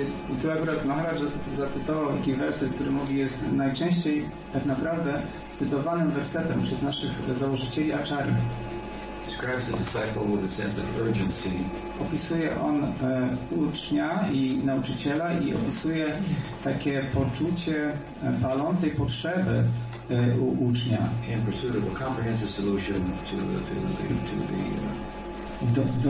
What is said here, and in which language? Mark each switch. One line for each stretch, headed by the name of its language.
Polish: I tu akurat Maharaj zacytował taki werset, który mówi, jest najczęściej tak naprawdę cytowanym wersetem przez naszych założycieli Acharya.
English: Describes the disciple with a sense of urgency.
Polish: Opisuje on ucznia i nauczyciela i opisuje takie poczucie palącej potrzeby u ucznia.
English: In pursuit of a comprehensive solution to the